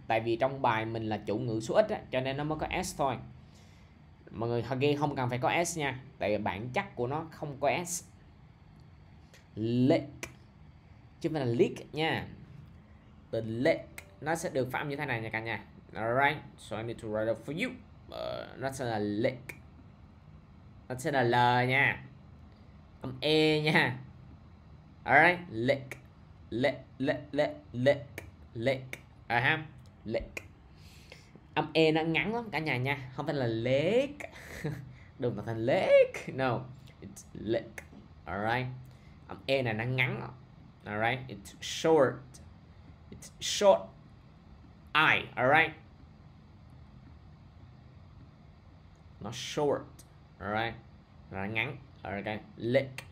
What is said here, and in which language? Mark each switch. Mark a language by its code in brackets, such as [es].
[vi] Tại vì trong bài mình là chủ ngữ số ít á, cho nên nó mới có S thôi. Mọi người ghi không cần phải có S nha. Tại vì bản chất của nó không có S. Lick. Chứ mình là lick nha. Từ lick nó sẽ được phát âm như thế này nha cả nhà. [en] Alright, so I need to write it for you. [vi] Nó sẽ là lick. Nó sẽ là L nha. Âm E nha. [en] Alright, lick, lick, lick, lick, lick, lick, aha, lick. [vi] Âm e nó ngắn lắm cả nhà nha, không phải là lick, đừng nói thành lick, [en] no, it's lick. [vi] Alright, âm e này nó ngắn lắm. [en] Alright, it's short, I, alright, not short, alright, [vi] nó ngắn, [en] okay, lick.